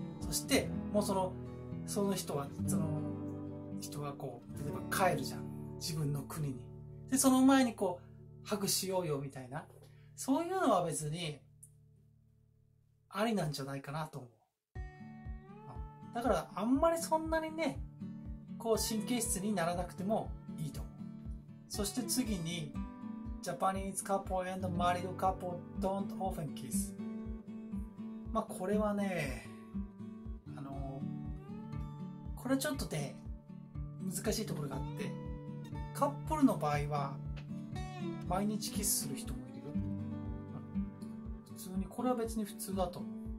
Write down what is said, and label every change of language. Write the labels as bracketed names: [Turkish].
[Japanese] そしてもうその人はその人はこう例えば帰るじゃん、自分の国に。でその前にこうハグしようよみたいな、そういうのは別にありなんじゃないかなと思う。だからあんまりそんなにねこう神経質にならなくてもいいと思う。そして次に、 [English] Japanese couple and married couple don't often kiss。 [Japanese] まあこれはね、これちょっとね難しいところがあって、カップルの場合は毎日キスする人もいるよ、普通に。これは別に普通だと思う。